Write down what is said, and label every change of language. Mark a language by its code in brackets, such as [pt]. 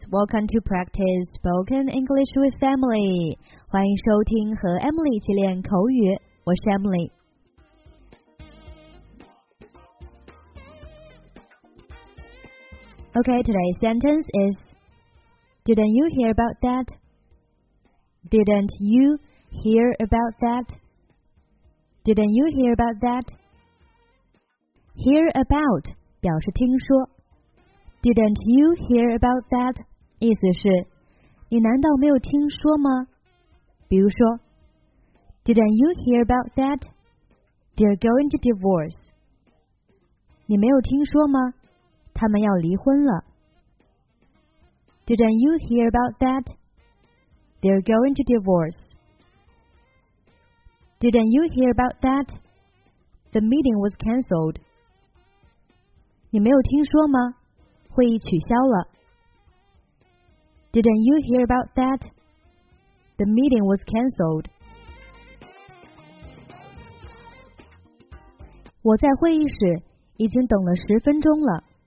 [en] Welcome to practice spoken English with Emily. [zh] 欢迎收听和 Emily 一起练口语。我是 Emily。 [en] Okay, today's sentence is, Didn't you hear about that? Didn't you hear about that? Didn't you hear about that? Hear about [zh] 表示听说。 [en] Didn't you hear about that? [zh] 意思是你难道没有听说吗？ [en] 比如说 Didn't you hear about that? They're going to divorce. [zh] 你没有听说吗？他们要离婚了。 [en] Didn't you hear about that? They're going to divorce. Didn't you hear about that? The meeting was cancelled. [zh] 你没有听说吗？会议取消了。 [en] Didn't you hear about that? The meeting was cancelled. [zh] 我在会议室已经等了十分钟了。